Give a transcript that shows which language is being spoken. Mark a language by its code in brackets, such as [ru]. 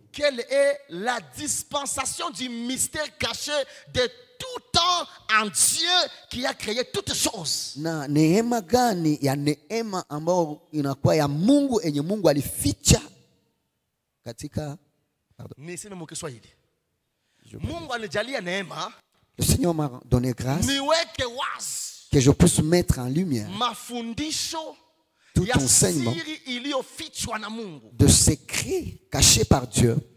[fr] Quelle est la dispensation du mystère caché de tout temps en Dieu qui a créé toutes choses. [sw] Na neema gani ya neema ambayo inakuwa ya Mungu enye Mungu alificha katika niseme mukiswahili. Mungu anajalia neema. [fr] Le Seigneur m'a donné grâce. [sw] Niweke wazi. [fr] Que je puisse mettre en lumière. [sw] Mafundisho. [fr] Tout enseignement de secret caché par Dieu.